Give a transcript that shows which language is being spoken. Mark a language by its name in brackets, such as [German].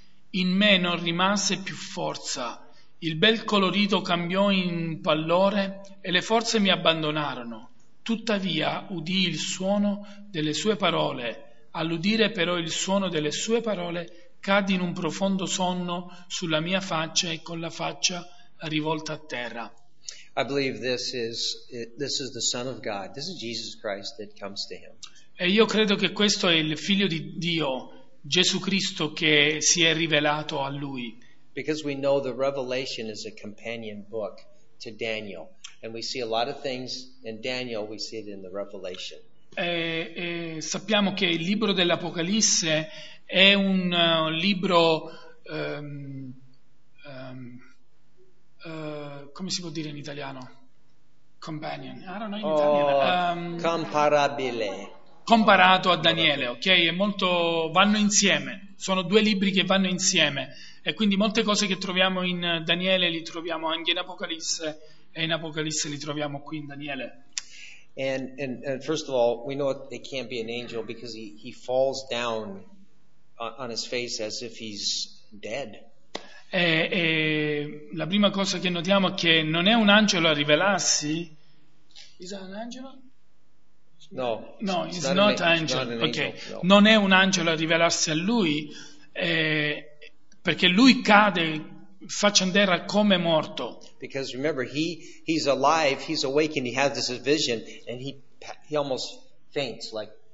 [Italian] In me non rimase più forza. Il bel colorito cambiò in pallore e le forze mi abbandonarono. Tuttavia udii il suono delle sue parole. All'udire però il suono delle sue parole cadi in un profondo sonno sulla mia faccia e con la faccia rivolta a terra. [English] I believe this is the Son of God. This is Jesus Christ that comes to him. [Italian] E io credo che questo è il Figlio di Dio, Gesù Cristo, che si è rivelato a lui. [English] Because we know the Revelation is a companion book to Daniel. And we see a lot of things in Daniel, we see it in the Revelation. [Italian] Sappiamo che il libro dell'Apocalisse è un libro come si può dire in italiano? [English] Companion. I don't know in italiano. [Italian] Comparabile. Comparato a Daniele, ok? Vanno insieme. Sono due libri che vanno insieme e quindi molte cose che troviamo in Daniele li troviamo anche in Apocalisse. E in Apocalisse li troviamo qui in Daniele. [English] And first of all, we know it can't be an angel because he falls down on his face as if he's dead. [Italian] E la prima cosa che notiamo è che non è un angelo a rivelarsi. [English] Is that an angel? No, it's not an angel. Okay. No. [Italian] Non è un angelo a rivelarsi a lui, perché lui cade faccia in terra come morto. [English] Because remember, he's alive, he's awakened, he has this vision, and he almost faints, like.